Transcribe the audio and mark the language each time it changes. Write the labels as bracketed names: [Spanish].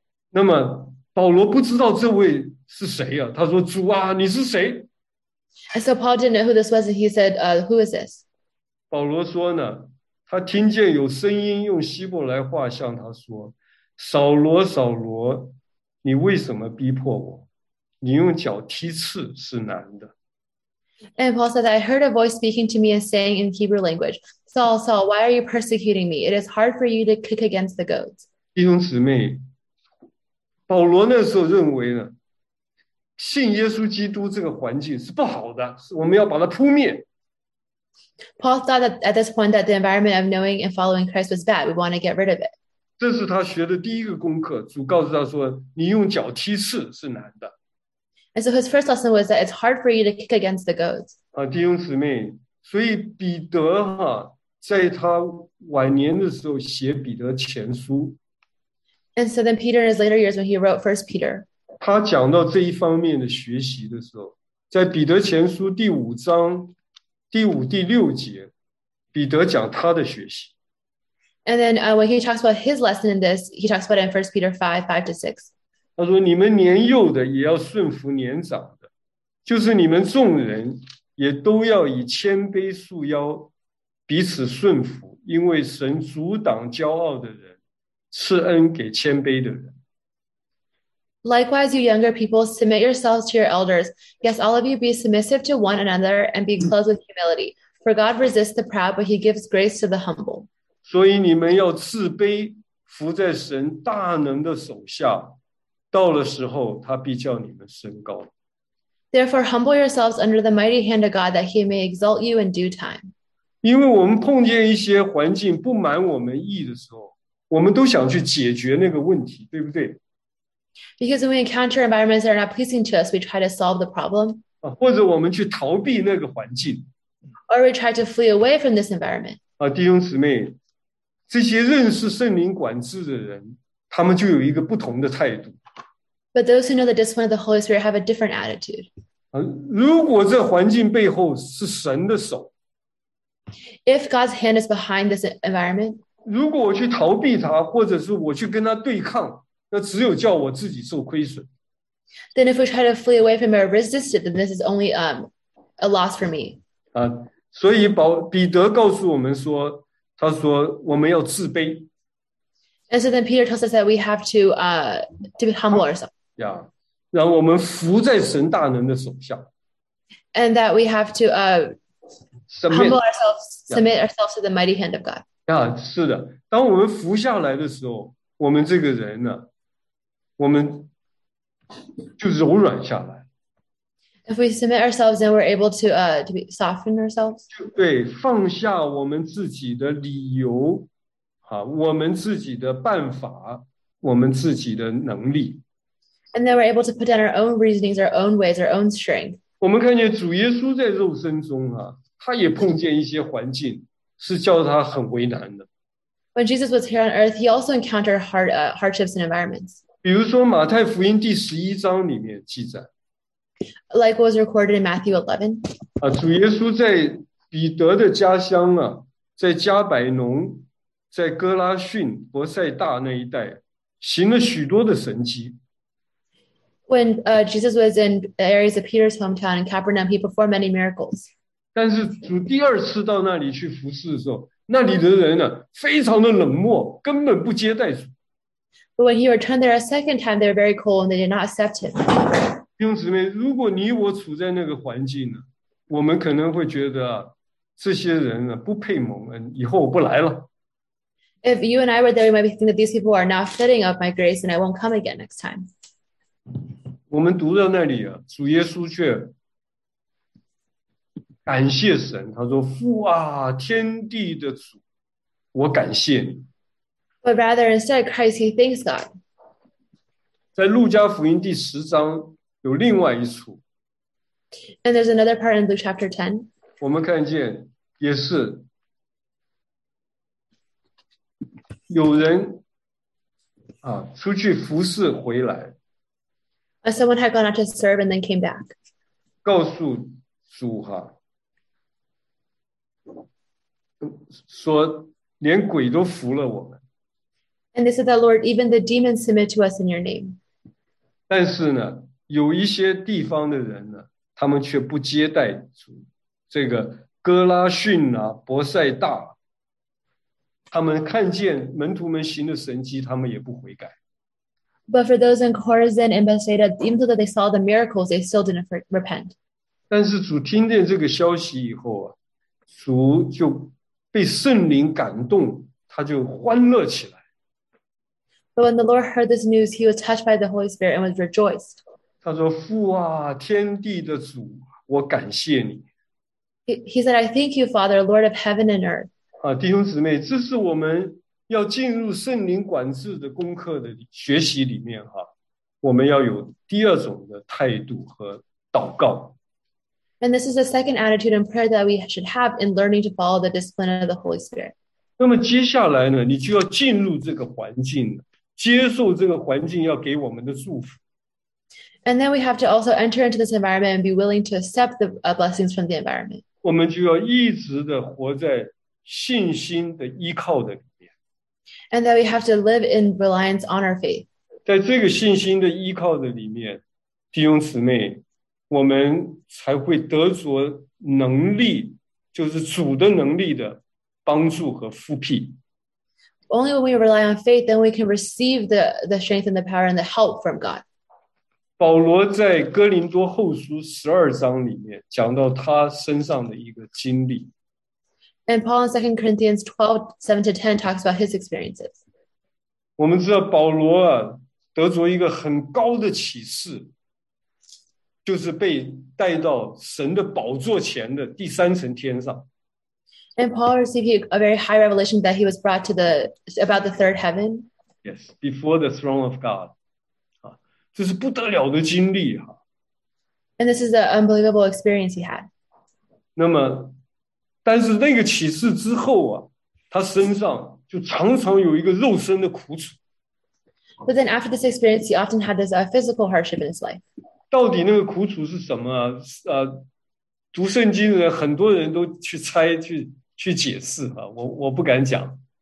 [Chinese] 那么保罗不知道这位是谁啊？他说：“主啊，你是谁？” [English] And so Paul didn't know who this was, and he said, "Who is this?" [Chinese] 保罗说呢，他听见有声音用希伯来话向他说。扫罗，扫罗，你为什么逼迫我？你用脚踢刺是难的。 [English] And Paul said, I heard a voice speaking to me and saying in Hebrew language, Saul, Saul, why are you persecuting me? It is hard for you to kick against the goats. [Chinese] 弟兄姊妹，保罗那时候认为呢，信耶稣基督这个环境是不好的，我们要把它扑灭。 [English] Paul thought that at this point that the environment of knowing and following Christ was bad. We want to get rid of it. [Chinese] 这是他学的第一个功课，主告诉他说，你用脚踢刺是难的。 [English] And so his first lesson was that it's hard for you to kick against the goats. [Chinese] 啊，弟兄姊妹，所以彼得啊，在他晚年的时候写彼得前书。 [English] And so then Peter in his later years when he wrote 1 Peter. [Chinese] 他讲到这一方面的学习的时候，在彼得前书第五章第五第六节，彼得讲他的学习。 [English] And then when he talks about his lesson in this, he talks about it in 1 Peter 5:5-6. [Chinese] 他说你们年幼的也要顺服年长的，就是你们众人也都要以谦卑束腰彼此顺服，因为神阻挡骄傲的人，赐恩给谦卑的人。 [English] Likewise, you younger people, submit yourselves to your elders. Yes, all of you be submissive to one another and be clothed with humility. For God resists the proud, but he gives grace to the humble. [Chinese] 所以你们要自卑，伏在神大能的手下，到了时候他必叫你们升高。 [English] Therefore, humble yourselves under the mighty hand of God, that He may exalt you in due time. [Chinese] 因为我们碰见一些环境不满我们意的时候，我们都想去解决那个问题，对不对？ [English] Because when we encounter environments that are not pleasing to us, we try to solve the problem. [Chinese] 或者我们去逃避那个环境。 [English] Or we try to flee away from this environment. [Chinese] 弟兄姊妹。这些认识圣灵管制的人，他们就有一个不同的态度。 [English] But those who know the discipline of the Holy Spirit have a different attitude. [Chinese] 如果这环境背后是神的手 [English] ，If God's hand is behind this environment， [Chinese] 如果我去逃避他，或者是我去跟他对抗，那只有叫我自己受亏损。 [English] Then if we try to flee away from or resist it, then this is only a loss for me. [Chinese] 所以彼得告诉我们说。他说我们要自卑。 [English] And so then Peter tells us that we have to be humble ourselves. Yeah. [Chinese] 让我们服在神大能的手下。 [English] And that we have to humble ourselves, submit ourselves to the mighty hand of God. [Chinese] Yeah, 是的。当我们服下来的时候，我们这个人呢，我们就柔软下来。 [English] If we submit ourselves, then we're able to be soften ourselves. [Chinese] 对，放下我们自己的理由，我们自己的办法，我们自己的能力。 [English] And then we're able to put down our own reasonings, our own ways, our own strength. [Chinese] 我们看见主耶稣在肉身中啊，他也碰见一些环境，是叫他很为难的。 [English] When Jesus was here on earth, he also encountered hardships and environments. [Chinese] 比如说马太福音第十一章里面记载。 [English] Like was recorded in Matthew 11. [Chinese] 主耶稣在彼得的家乡啊，在加百农，在哥拉逊、伯塞大那一带，行了许多的神迹。 [English] When Jesus was in areas of Peter's hometown in Capernaum, he performed many miracles. [Chinese] 但是主第二次到那里去服事的时候，那里的人呢、啊，非常的冷漠，根本不接待主。 [English] But when he returned there a second time, they were very cold and they did not accept him. [Chinese] 弟兄姊妹，如果你我处在那个环境呢，我们可能会觉得、啊、这些人呢、啊、不配蒙恩，以后我不来了。 [English] If you and I were there, you might be thinking that these people are not fitting of my grace, and I won't come again next time. [Chinese] 我们读到那里啊，主耶稣却感谢神，他说：“父啊，天地的主，我感谢你。” [English] But rather, instead, Christ he thanks God. [Chinese] 在路加福音第十章有另外一处。 [English] And there's another part in Luke chapter 10. [Chinese] 我们看见也是有人啊出去服侍回来。 [English] Someone had gone out to serve and then came back. [Chinese] 告诉主哈，说连鬼都服了我们。 [English] And they said that, Lord, even the demons submit to us in your name. [Chinese] 但是呢，有一些地方的人呢，他们却不接待主。这个哥拉逊啊，伯塞大，他们看见门徒们行的神迹，他们也不悔改。 [English] But for those in Chorazin and Bethsaida, even though they saw the miracles, they still didn't repent. [Chinese] 但是主听见这个消息以后啊，主就被圣灵感动，他就欢乐起来。 [English] But when the Lord heard this news, he was touched by the Holy Spirit and was rejoiced. [Chinese] 他说：“父啊，天地的主，我感谢你。” [English] He said, "I thank you, Father, Lord of heaven and earth." [Chinese] 啊，弟兄姊妹，这是我们要进入圣灵管制的功课的学习里面哈，我们要有第二种的态度和祷告。 [English] And this is the second attitude and prayer that we should have in learning to follow the discipline of the Holy Spirit. [Chinese] 那么接下来呢，你就要进入这个环境，接受这个环境要给我们的祝福。 [English] And then we have to also enter into this environment and be willing to accept the blessings from the environment. [Chinese] 我们就要一直的活在信心的依靠的里面。 [English] And that we have to live in reliance on our faith. [Chinese] 在这个信心的依靠的里面，弟兄姊妹，我们才会得着能力，就是主的能力的帮助和复辟。 [English] Only when we rely on faith, then we can receive the strength and the power and the help from God. [Chinese] 保罗在哥林多后书十二章里面讲到他身上的一个经历。 [English] And Paul in 2 Corinthians 12:7-10 talks about his experiences. [Chinese] 我们知道保罗啊，得着一个很高的启示，就是被带到神的宝座前的第三层天上。 [English] And Paul received a very high revelation that he was brought to about the third heaven. Yes, before the throne of God. [Chinese] 啊，这是不得了的经历啊。 [English] And this is an unbelievable experience he had. [Chinese] 那么但是那个启示之后啊，他身上就常常有一个肉身的苦楚。 [English] But then after this experience, he often had this physical hardship in his life. [Chinese] 到底那个苦楚是什么啊？读圣经的人很多人都去猜去解释啊，我不敢讲。